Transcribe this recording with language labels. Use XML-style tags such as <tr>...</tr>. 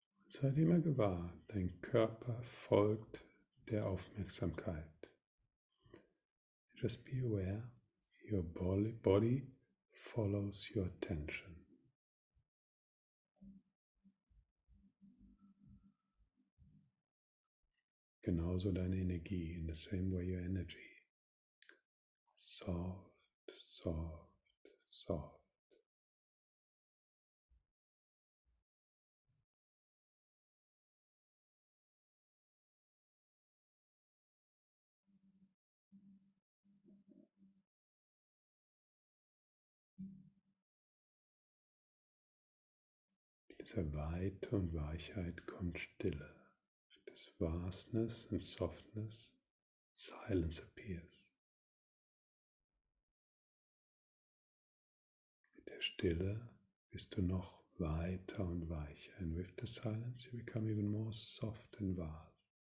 <de>Sei dir immer gewahr, dein Körper folgt der Aufmerksamkeit.</de> <en>Just be aware, your body follows your attention. genauso deine Energie, in the same way your energy. Soft, soft, soft.</en> <de>Dieser Weite und Weichheit kommt Stille. This vastness and softness, silence appears. Mit der Stille bist du noch weiter und weicher.</de> <en>And with the silence you become even more soft and vast.</en>